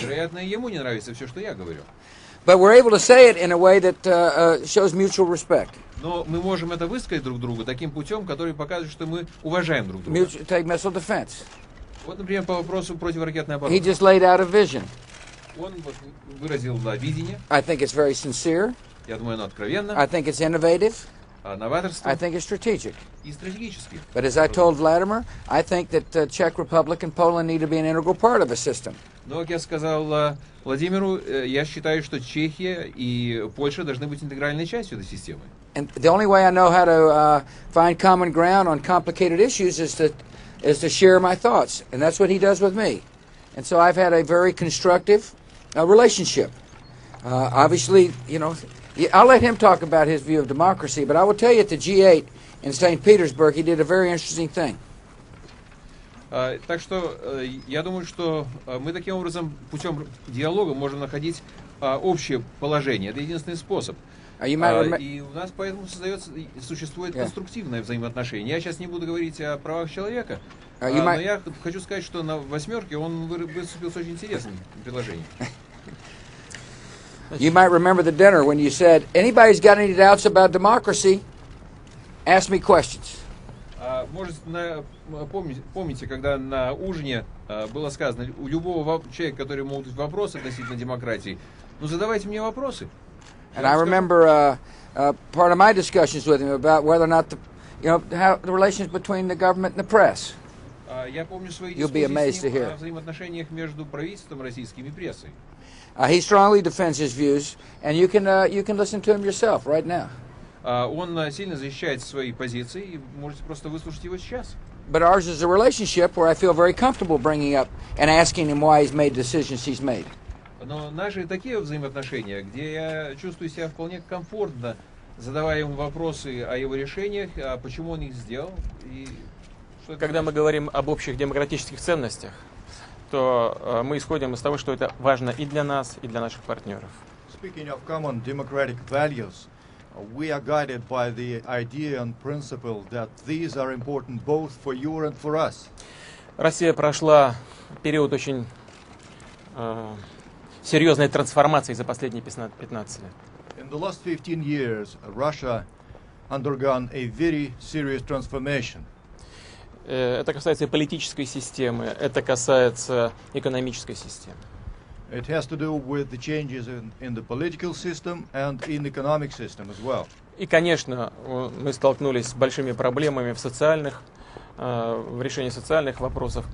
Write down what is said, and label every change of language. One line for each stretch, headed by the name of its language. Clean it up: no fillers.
Russian: Вероятно, ему не нравится все, что я говорю.
English: But we're able to say it in a way that shows mutual respect.
Russian: Но мы можем это высказать друг другу таким путем, который показывает, что мы уважаем друг друга.
English: Mutual, take missile defense.
Russian: Вот, например, по вопросу противоракетной обороны.
English: He just laid out a vision.
Russian: Он выразил, да, видение.
English: I think it's very sincere.
Russian: Я думаю, оно откровенно.
English: I think it's innovative.
Russian: Новаторство.
English: I think it's strategic.
Russian: И стратегически.
English: But as I told Vladimir, I think that the Czech Republic and Poland need to be an integral part of a system.
Russian: Но, как я сказал Владимиру, я считаю, что Чехия и Польша должны быть интегральной частью этой системы.
English: And the only way I know how to find common ground on complicated issues is to share my thoughts, and that's what he does with me. And so I've had a very constructive relationship. Obviously, you know, I'll let him talk about his view of democracy, but I will tell you, at the G8 in St. Petersburg, he did a very interesting thing.
Russian: Так что я думаю, что мы таким образом путем диалога можем находить общее положение. Это единственный способ. И у нас поэтому существует конструктивное взаимоотношение. Я сейчас не буду говорить о правах человека, но я хочу сказать, что на восьмерке он выступил с очень интересным предложением.
English: You might remember the dinner when you said, anybody's got any doubts about democracy, ask me questions.
Russian: Помните, когда на ужине было сказано, у любого человека, который могут быть вопросы относительно демократии, ну задавайте мне вопросы.
English: And I remember part of my discussions with him about whether or not the, you know, how the relations between the government and the press. You'll be amazed to hear.
Russian: Взаимоотношениях между правительством российским и прессой.
English: He strongly defends his views, and you can listen to him yourself right now.
Russian: Он сильно защищает свои позиции, и можете просто выслушать его сейчас.
English: But ours is a relationship where I feel very comfortable bringing up and asking him why he's made decisions he's made.
Russian: Но наши такие взаимоотношения, где я чувствую себя вполне комфортно, задавая ему вопросы о его решениях, о почему он их сделал. И что когда мы говорим об общих демократических ценностях, то мы исходим из того, что это важно и для нас, и для наших партнеров.
English: Speaking of common democratic values, we are guided by the idea and principle that these are important both for you and for us.
Russian: Россия прошла период очень серьезной трансформации за последние 15 лет.
English: In the last 15 years, Russia undergone a very serious transformation.
Russian: Это касается политической системы, это касается экономической системы.
English: It has to do with the changes in the political system and in economic system as well.
Russian: И, конечно, мы столкнулись с большими проблемами в социальных, в решении социальных вопросов.